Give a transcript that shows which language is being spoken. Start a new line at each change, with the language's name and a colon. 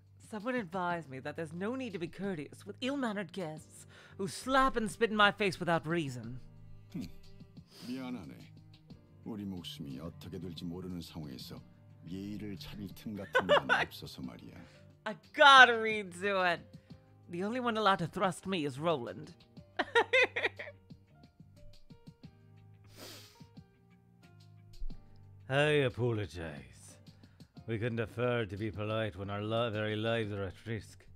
English: Someone advised me that there's no need to be courteous with ill-mannered guests who slap and spit in my face without reason.
Korean: 미안하네. 우리 목숨이 어떻게 될지 모르는 상황에서 예의를 차릴 틈 같은 건 없어서 말이야.
English: I gotta read to it. The only one allowed to thrust me is Roland. 'I apologize. We couldn't afford to be polite when our very lives are at risk.